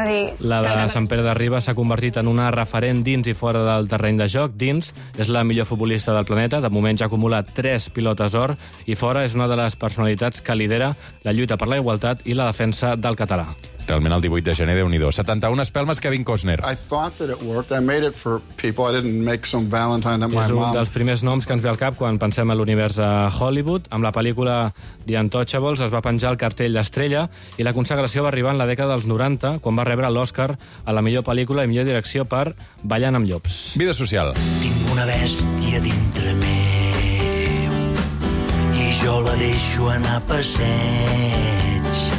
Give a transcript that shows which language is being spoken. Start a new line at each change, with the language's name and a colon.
Catalan: És a dir, la de Sant Pere de Ribes s'ha convertit en una referent dins i fora del terreny de joc. Dins és la millor futbolista del planeta, de moment ja ha acumulat 3 pilotes d'or, i fora és una de les personalitats que lidera la lluita per la igualtat i la defensa del català. Realment el 18 de gener, déu-n'hi-do. 71 espelmes, Kevin Costner.
English: I thought that it worked. I made it for people. I didn't make some Valentine at my mom.
Catalan: És un dels primers noms que ens ve al cap quan pensem a l'univers de Hollywood. Amb la pel·lícula The Untouchables es va penjar el cartell d'estrella i la consagració va arribar en la dècada dels 90 quan va rebre l'Oscar a la millor pel·lícula i millor direcció per Ballant amb llops. Vida social. Tinc una bèstia dintre meu i jo la deixo anar a passeig.